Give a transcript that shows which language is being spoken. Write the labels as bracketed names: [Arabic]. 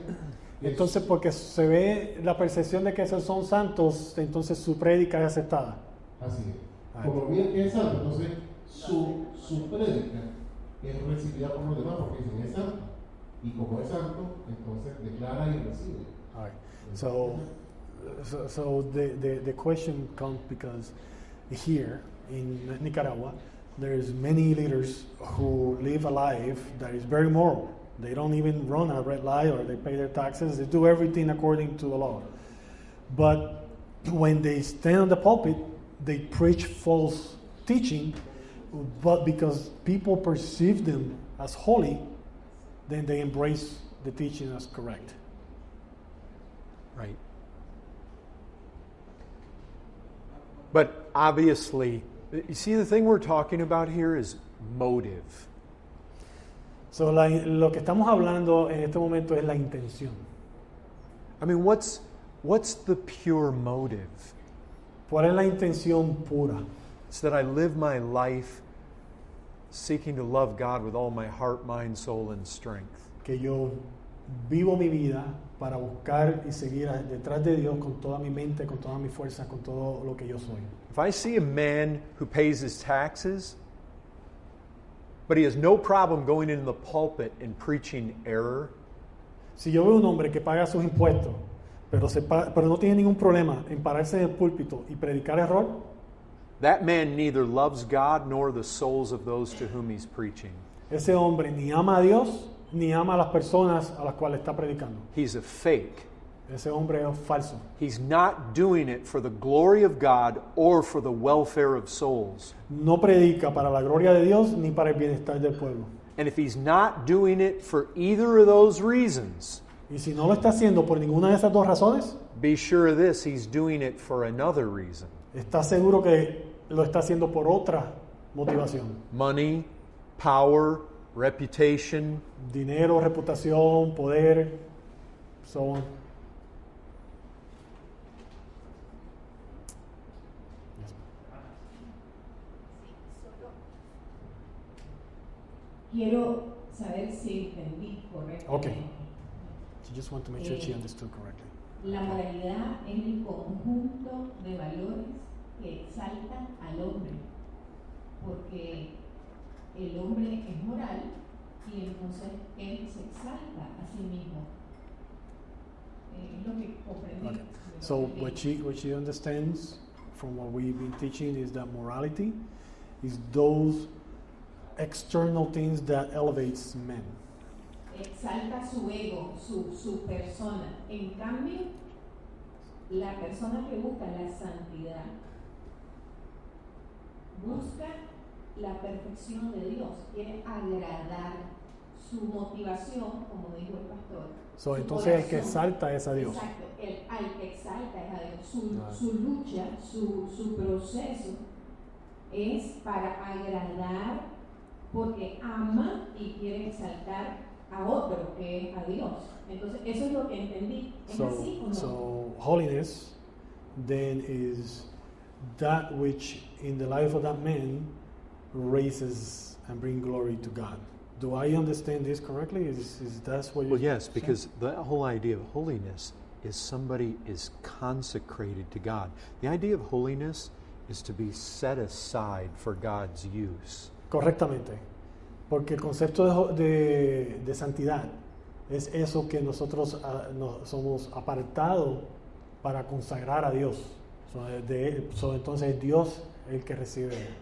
[Spanish] que entonces es, porque se ve la percepción de que esos son santos, entonces su prédica es aceptada. Así es. Como bien que es santo, entonces su prédica es recibida por los demás porque dicen es santo. Y como es santo, entonces declara y recibe. [English] All right. So the question comes because here in Nicaragua there is many leaders who live a life that is very moral. They don't even run a red light or they pay their taxes. They do everything according to the law. But when they stand on the pulpit, they preach false teaching, but because people perceive them as holy, then they embrace the teaching as correct. Right. But obviously, you see, the thing we're talking about here is motive. [Spanish] So, lo que estamos hablando en este momento es la intención. [English] I mean, what's the pure motive? [Spanish] ¿Cuál es la intención pura? [English] It's that I live my life seeking to love God with all my heart, mind, soul, and strength. [Spanish] Que yo vivo mi vida para buscar y seguir detrás de Dios con toda mi mente, con toda mi fuerza, con todo lo que yo soy. [English] If I see a man who pays his taxes, but he has no problem going in the pulpit and preaching error. [Spanish] Si yo veo un hombre que paga sus impuestos, pero no tiene ningún problema en pararse en el púlpito y predicar error. [English] That man neither loves God nor the souls of those to whom he's preaching. [Spanish] Ese hombre ni ama a Dios ni ama a las personas a las cuales está predicando. [English] He's a fake. [Spanish] Ese hombre es falso. [English] He's not doing it for the glory of God or for the welfare of souls. [Spanish] No predica para la gloria de Dios ni para el bienestar del pueblo. [English] And if he's not doing it for either of those reasons, [Spanish] y si no lo está haciendo por ninguna de esas dos razones, [English] be sure of this, he's doing it for another reason. [Spanish] Está seguro que lo está haciendo por otra motivación. [English] Money, power, reputation. [Spanish] Dinero, reputación, poder, [English] so on. [Spanish] Quiero saber si entendí correctamente. [English] Okay. She just wanted to make sure she understood correctly. [Spanish] La moralidad es el conjunto de valores que exalta al hombre, porque el hombre es moral y entonces él se exalta a sí mismo. Es lo que comprendí. [English] Okay. So what she understands from what we've been teaching is that morality is those external things that elevates men. [Spanish] Exalta su ego, su persona. En cambio, la persona que busca la santidad busca la perfección de Dios, quiere agradar su motivación, como dijo el pastor. So, entonces corazón, el que exalta es a Dios. Exacto, el que exalta es a Dios. Su lucha, su proceso es para agradar, porque ama y quiere exaltar a otro, que es a Dios. Entonces, eso es lo que entendí. ¿Es [English] so, [Spanish] así o no? [English] So, holiness then is that which in the life of that man raises and bring glory to God. Do I understand this correctly? Is that what you? Well, yes, because the whole idea of holiness is somebody is consecrated to God. The idea of holiness is to be set aside for God's use. [Spanish] Correctamente, porque el concepto de santidad es eso que nosotros somos apartado para consagrar a Dios. Entonces Dios el que recibe.